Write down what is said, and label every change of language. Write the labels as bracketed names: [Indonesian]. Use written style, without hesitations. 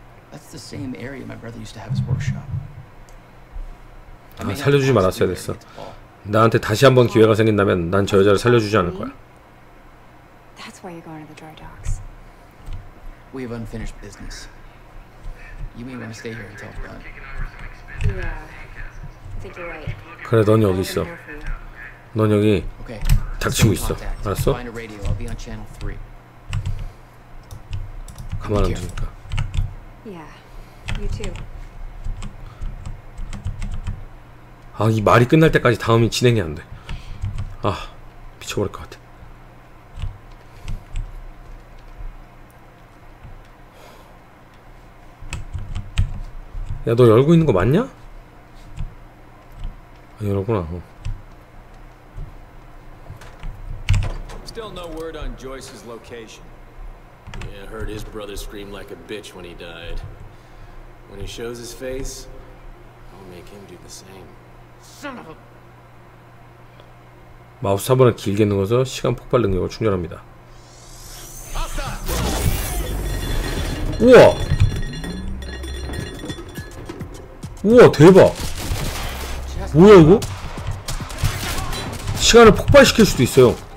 [English] That's the same area my brother used to have his workshop. [Korean] 아 살려주지 말았어야 됐어. 나한테 다시 한번 기회가 생긴다면 난 저 여자를 살려주지 않을 거야. [English] That's why you're going to the dry docks. We have unfinished business. You may want to stay here until done. Yeah. I think you're right. [Korean] 그래 넌 여기 있어. 넌 여기 닥치고 있어. 알았어? 가만 안 두니까. 아, 이 말이 끝날 때까지 다음이 진행이 안 돼. 아, 미쳐버릴 것 같아. 야, 너 열고 있는 거 맞냐? 아, 열었구나. 어. [English] Still no word on Joyce's location. Yeah, heard his brother scream like a bitch when he died. When he shows his face, I'll make him do the same. Son of a. [Korean] 마우스 타버는 길게 누워서 시간 폭발 능력을 충전합니다. 우와. 우와 대박. 뭐야 이거? 시간을 폭발시킬 수도 있어요.